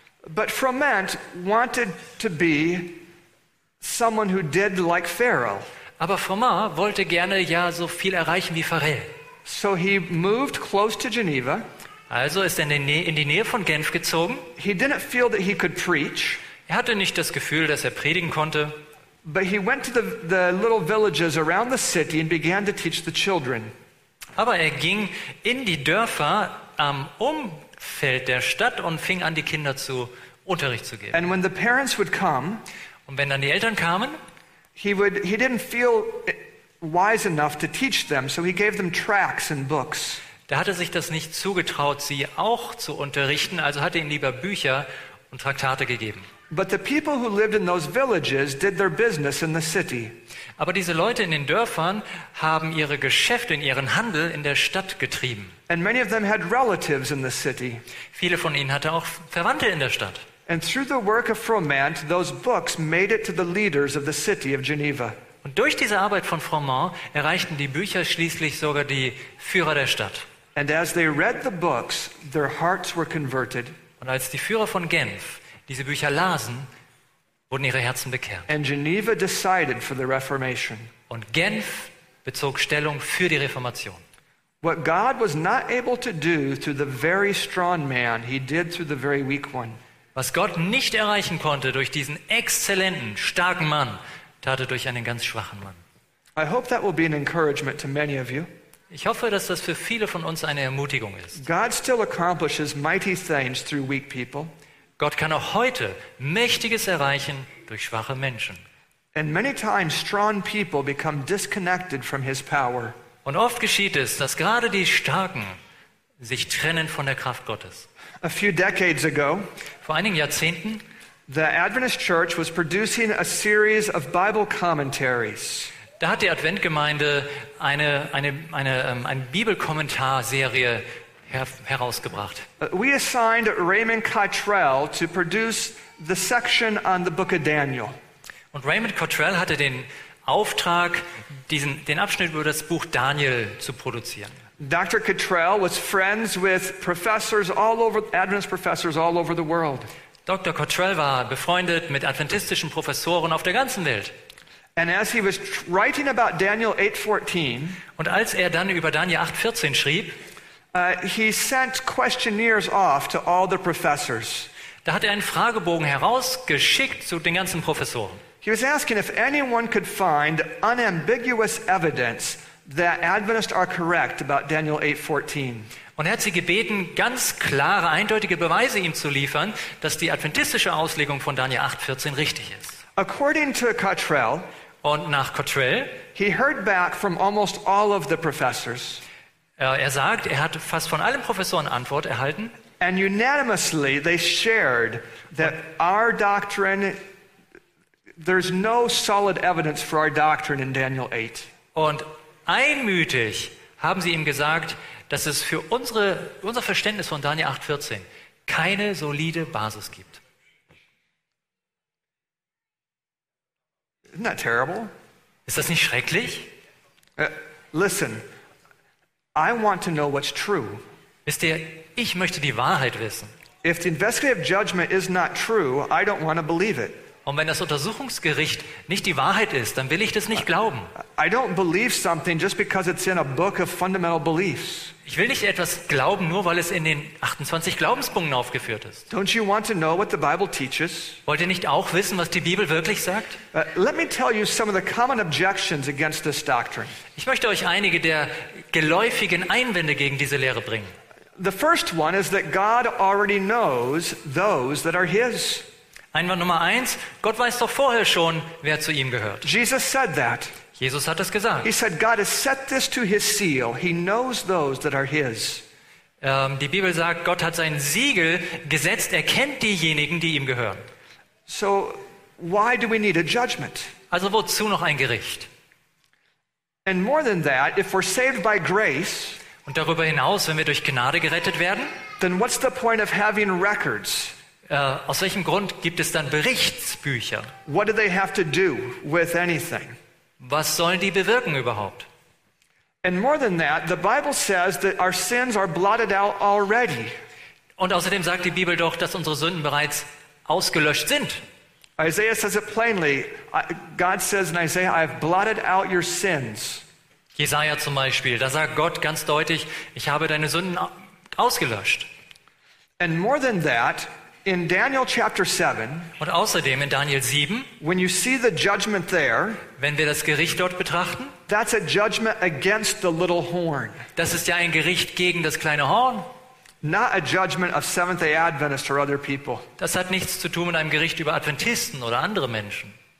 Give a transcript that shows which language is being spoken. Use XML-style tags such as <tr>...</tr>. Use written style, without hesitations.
<en>But Froment wanted to be someone who did like Farel.</en> <de>Aber Froment wollte gerne ja so viel erreichen wie Farel.</de> <en>So he moved close to Geneva.</en> <de>Also ist er in die Nähe von Genf gezogen.</de> <en>He didn't feel that he could preach.</en> <de>Er hatte nicht das Gefühl, dass er predigen konnte.</de> <en>But he went to the little villages around the city and began to teach the children.</en> <de>Aber er ging in die Dörfer am Umfeld der Stadt und fing an, die Kinder zu Unterricht zu geben.</de> <en>And when the parents would come,</en> <de>und wenn dann die Eltern kamen,</de> <en>he didn't feel wise enough to teach them, so he gave them tracts and books.</en> <de>Da hatte sich das nicht zugetraut, sie auch zu unterrichten, also hatte ihnen lieber Bücher und Traktate gegeben.</de> <en>But the people who lived in those villages did their business in the city.</en> <de>Aber diese Leute in den Dörfern haben ihre Geschäfte und ihren Handel in der Stadt getrieben.</de> <en>And many of them had relatives in the city.</en> <de>Viele von ihnen hatten auch Verwandte in der Stadt.</de> <en>And through the work of Froment, those books made it to the leaders of the city of Geneva.</en> <de>Und durch diese Arbeit von Froment erreichten die Bücher schließlich sogar die Führer der Stadt.</de> <en>And as they read the books, their hearts were converted.</en> <de>Und als die Führer von Genf diese Bücher lasen, wurden ihre Herzen bekehrt.</de> <en>And Geneva decided for the Reformation.</en> <de>Und Genf bezog Stellung für die Reformation.</de> <en>What God was not able to do through the very strong man, he did through the very weak one.</en> <de>Was Gott nicht erreichen konnte durch diesen exzellenten, starken Mann, tat er durch einen ganz schwachen Mann.</de> <en>I hope that will be an encouragement to many of you.</en> <de>Ich hoffe, dass das für viele von uns eine Ermutigung ist.</de> <en>God still accomplishes mighty things through weak people.</en> <de>Gott kann auch heute Mächtiges erreichen durch schwache Menschen.</de> <en>And many times strong people become disconnected from his power.</en> <de>Und oft geschieht es, dass gerade die Starken sich trennen von der Kraft Gottes.</de> <en>A few decades ago,</en> <de>vor einigen Jahrzehnten,</de> <en>the Adventist Church was producing a series of Bible commentaries.</en> <de>Da hat die Adventgemeinde eine Bibelkommentarserie herausgebracht.</de> <en>We assigned Raymond Cottrell to produce the section on the book of Daniel.</en> <de>Und Raymond Cottrell hatte den Auftrag, den Abschnitt über das Buch Daniel zu produzieren.</de> <en>Dr. Cottrell was friends with Adventist professors all over the world.</en> <de>Dr. Cottrell war befreundet mit adventistischen Professoren auf der ganzen Welt.</de> <en>And as he was writing about Daniel 8:14,</en> <de>und als er dann über Daniel 8:14 schrieb,</de> <en>he sent questionnaires off to all the professors.</en> <de>Da hat er einen Fragebogen herausgeschickt zu den ganzen Professoren.</de> <en>He was asking if anyone could find unambiguous evidence that Adventists are correct about Daniel 8:14.</en> <de>Und er hat sie gebeten, ganz klare, eindeutige Beweise ihm zu liefern, dass die adventistische Auslegung von Daniel 8:14 richtig ist.</de> <en>According to Cottrell,</en> <de>und nach Cottrell,</de> <en>he heard back from almost all of the professors.</en> <de>Er sagt, er hat fast von allen Professoren Antwort erhalten.</de> <en>And unanimously they shared that our doctrine, there's no solid evidence for our doctrine in Daniel 8.</en> <de>Und einmütig haben sie ihm gesagt, dass es für unser Verständnis von Daniel 8:14 keine solide Basis gibt.</de> <en>Isn't that terrible?</en> <de>Ist das nicht schrecklich?</de> <en>Listen, I want to know what's true.</en> <de>Wisst ihr, ich möchte die Wahrheit wissen.</de> <en>If the investigative judgment is not true, I don't want to believe it.</en> <de>Und wenn das Untersuchungsgericht nicht die Wahrheit ist, dann will ich das nicht glauben.</de> <en>I don't believe something just because it's in a book of fundamental beliefs.</en> <de>Ich will nicht etwas glauben, nur weil es in den 28 Glaubenspunkten aufgeführt ist.</de> <en>Don't you want to know what the Bible teaches?</en> <de>Wollt ihr nicht auch wissen, was die Bibel wirklich sagt?</de> <en>Let me tell you some of the common objections against this doctrine.</en> <de>Ich möchte euch einige der geläufigen Einwände gegen diese Lehre bringen.</de> <en>The first one is that God already knows those that are his.</en> <de>Einwand Nummer eins, Gott weiß doch vorher schon, wer zu ihm gehört.</de> <en>Jesus said that.</en> <de>Jesus hat das gesagt.</de> <en>He said God has set this to his seal. He knows those that are his.</en> <de>Die Bibel sagt, Gott hat sein Siegel gesetzt, er kennt diejenigen, die ihm gehören.</de> <en>So why do we need a judgment?</en> <de>Also wozu noch ein Gericht?</de> <en>And more than that, if we're saved by grace,</en> <de>und darüber hinaus, wenn wir durch Gnade gerettet werden,</de> <en>then what's the point of having records?</en> <de>Aus welchem Grund gibt es dann Berichtsbücher?</de> <en>What do they have to do with anything?</en> <de>Was sollen die bewirken überhaupt?</de> <en>And more than that, the Bible says that our sins are blotted out already.</en> <de>Und außerdem sagt die Bibel doch, dass unsere Sünden bereits ausgelöscht sind.</de> <en>Isaiah says it plainly. God says in Isaiah, I have blotted out your sins.</en> <de>Jesaja zum Beispiel, da sagt Gott ganz deutlich, ich habe deine Sünden ausgelöscht.</de> <en>And more than that, in Daniel chapter 7,</en> <de>und außerdem in Daniel 7,</de> <en>when you see the judgment there,</en> <de>wenn wir das Gericht dort betrachten,</de> <en>that's a judgment against the little horn.</en> <de>Das ist ja ein Gericht gegen das kleine Horn.</de> <en>Not a judgment of Seventh-day Adventists or other people.</en> <de>Das hat nichts zu tun mit einem Gericht über Adventisten oder andere Menschen.</de>